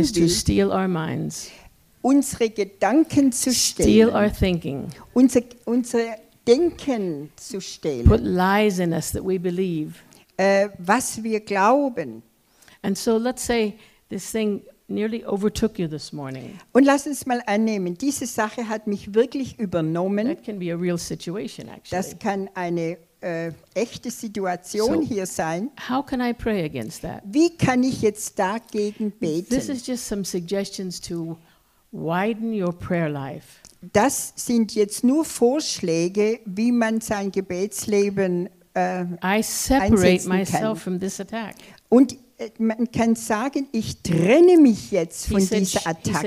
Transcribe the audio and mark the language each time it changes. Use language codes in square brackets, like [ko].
[en] is to steal our minds, [de] unsere Gedanken zu stehlen, [en] steal our thinking, [de] unser Denken zu stehlen, [en] put lies in us that we believe, [de] was wir glauben. [en] And so let's say this thing nearly overtook you this morning. [de] Und lass uns mal annehmen, diese Sache hat mich wirklich übernommen. [en] That can be a real situation, actually. [de] Das kann eine echte Situation hier sein. [en] How can I pray against that? [de] Wie kann ich jetzt dagegen beten? [en] This is just some suggestions to widen your prayer life. [de] Das sind jetzt nur Vorschläge, wie man sein Gebetsleben einsetzen kann. [en] I separate myself from this attack. [de] Und man kann sagen, ich trenne mich jetzt von dieser Attacke.